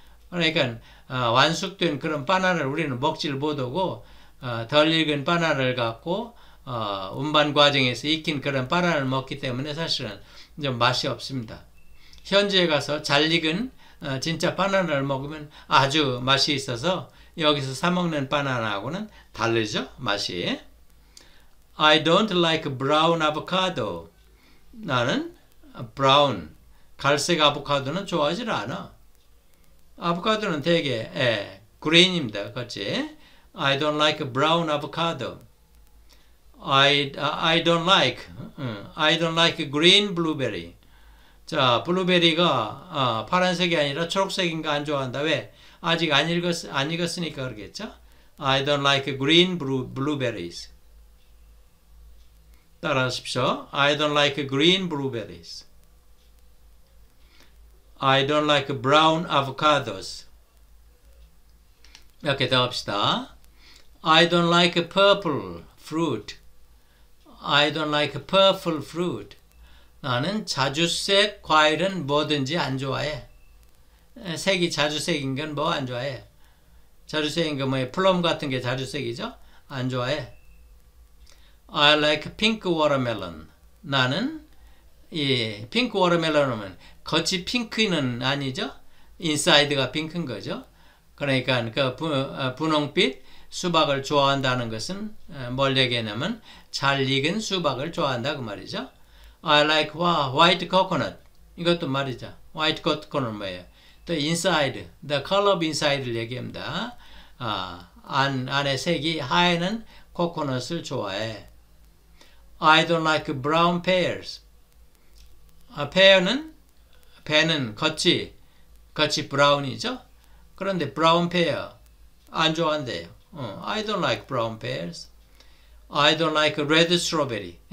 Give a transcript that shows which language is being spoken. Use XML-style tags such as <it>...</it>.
<ko>그러니까 완숙된 그런 바나나를 우리는 먹질 못하고 덜 익은 바나나를 갖고 운반 과정에서 익힌 그런 바나나를 먹기 때문에 사실은 좀 맛이 없습니다. 현지에 가서 잘 익은 진짜 바나나를 먹으면 아주 맛이 있어서 여기서 사 먹는 바나나하고는 다르죠, 맛이.</ko> <en>I don't like brown avocado.</en> <ko>나는 brown, 갈색 아보카도는 좋아하지 않아. 아보카도는 되게 그린입니다. 그렇지?</ko> <en>I don't like brown avocado. I don't like. I don't like green blueberry.</en> <ko>자, 블루베리가 파란색이 아니라 초록색인가 안 좋아한다. 왜? 아직 안 익었으니까 그러겠죠?</ko> <en>I don't like green blueberries.</en> <ko>따라하십시오.</ko> <en>I don't like green blueberries. I don't like brown avocados.</en> <ko>이렇게 더 합시다.</ko> <en>I don't like purple fruit. I don't like purple fruit.</en> <ko>나는 자주색 과일은 뭐든지 안 좋아해. 색이 자주색인 건 뭐 안 좋아해? 자주색인 건 뭐예요? 플럼 같은 게 자주색이죠? 안 좋아해.</ko> <en>I like pink watermelon.</en> <ko>나는 이</ko> <en>pink watermelon</en> <ko>은 겉이 핑크는 아니죠? 인사이드가 핑크인 거죠. 그러니까 그 분홍빛 수박을 좋아한다는 것은 뭘 얘기하냐면 잘 익은 수박을 좋아한다 그 말이죠.</ko> <en>I like white coconut.</en> <ko>이것도 말이죠.</ko> <en>White coconut</en> <ko>뭐예요?</ko> <en>The inside, the color of inside를 얘기합니다.</en> <ko>안에 색이 하얘는 코코넛을 좋아해.</ko> <en>I don't like brown pears.</en> <ko>배는 겉이 브라운이죠. 그런데 브라운 페어 안 좋아한대요.</ko> <en>I don't like brown pears. I don't like red strawberry.</en>